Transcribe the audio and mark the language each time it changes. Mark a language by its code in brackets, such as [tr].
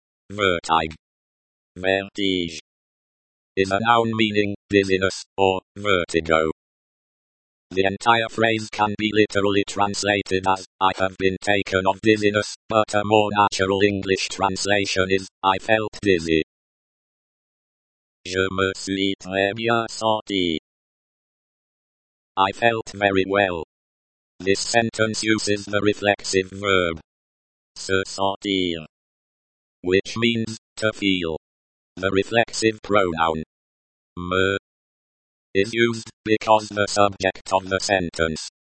[fr] Vertige. Vertige. [en] is a noun meaning dizziness or vertigo. The entire phrase can be literally translated as, I have been taken of dizziness, but a more natural English translation is, I felt dizzy. [fr] Je me suis très bien senti. [en] I felt very well. This sentence uses the reflexive verb [fr] se sentir, [en] which means to feel. The reflexive pronoun [fr] me [en] is used because the subject of the sentence